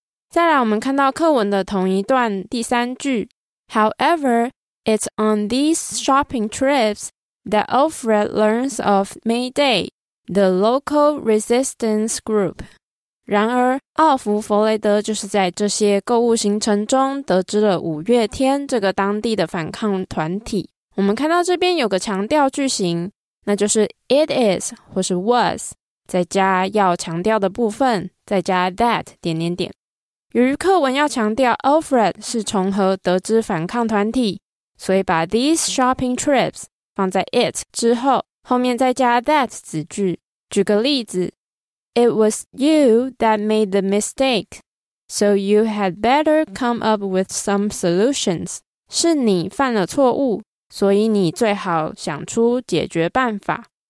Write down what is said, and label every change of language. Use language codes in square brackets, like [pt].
[zh] 再来，我们看到课文的同一段第三句 [en] ，However, it's on these shopping trips that Alfred learns of May Day, the local resistance group. [zh] 然而，奥弗·弗雷德就是在这些购物行程中得知了五月天这个当地的反抗团体。我们看到这边有个强调句型，那就是 it is 或是 was, 再加要强调的部分，再加 that 点点点。由于课文要强调 Alfred 是从何得知反抗团体，所以把 [en] these shopping trips [zh] 放在 it 之后，后面再加 that 子句。举个例子， [en] It was you that made the mistake, so you had better come up with some solutions. [zh] 是你犯了错误，所以你最好想出解决办法。